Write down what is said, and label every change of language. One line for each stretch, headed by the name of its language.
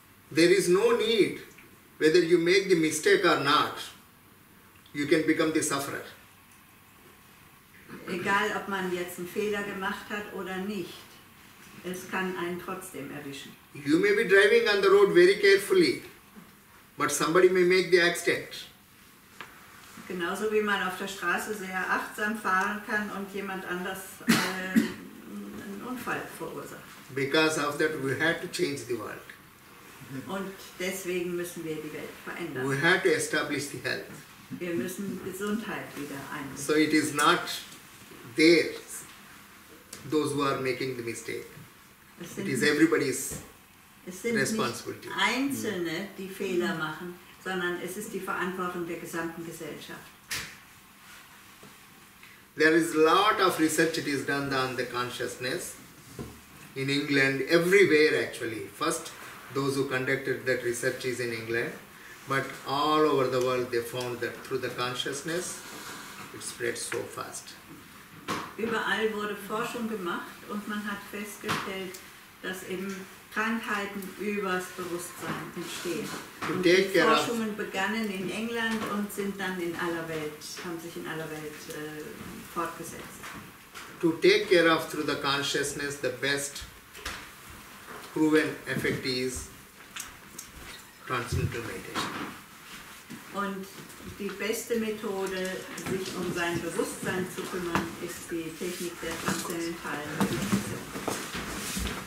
English: There is no need, whether you make the mistake or not, you can become the sufferer.
German: Egal, ob man jetzt einen Fehler gemacht hat oder nicht. Es kann einen trotzdem erwischen.
English: You may be driving on the road very carefully, but somebody may make the accident.
German: Genauso wie man auf der Straße sehr achtsam fahren kann und jemand anders einen Unfall verursacht.
English: Because of that we have to change the world.
German: Und deswegen müssen wir die Welt verändern.
English: We have to establish the health.
German: Wir müssen Gesundheit wieder einrichten.
English: So it is not there, those who are making the mistake. It is everybody's responsibility.
German: Es sind nicht Einzelne, die Fehler machen, sondern es ist die Verantwortung der gesamten Gesellschaft.
English: There is a lot of research that is done on the consciousness in England, everywhere actually. First, those who conducted that research is in England, but all over the world they found that through the consciousness, it spreads so fast.
German: Überall wurde Forschung gemacht und man hat festgestellt, dass eben Krankheiten übers Bewusstsein entstehen. Und die Forschungen begannen in England und sind dann in aller Welt, haben sich in aller Welt fortgesetzt.
English: To take care of through the consciousness, the best proven effect is transcendental meditation.
German: Und die beste Methode, sich um sein Bewusstsein zu kümmern, ist die Technik der transzendentalen Meditation.